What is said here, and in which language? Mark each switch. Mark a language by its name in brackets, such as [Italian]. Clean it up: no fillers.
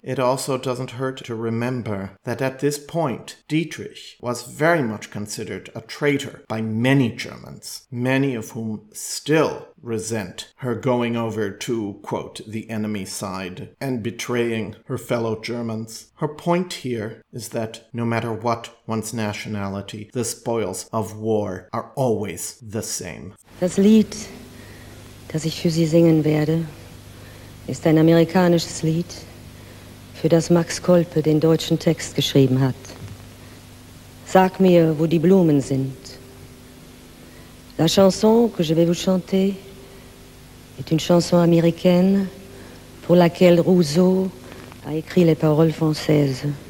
[English] It also doesn't hurt to remember that at this point, Dietrich was very much considered a traitor by many Germans, many of whom still resent her going over to, quote, the enemy side and betraying her fellow Germans. Her point here is that no matter what one's nationality, the spoils of war are always the same. [German] Das Lied, das ich für Sie singen werde, ist ein amerikanisches Lied, für das Max Kolpe den deutschen Text geschrieben hat. Sag mir, wo die Blumen sind. [French] La chanson que je vais vous chanter est une chanson américaine pour laquelle Rousseau a écrit les paroles françaises.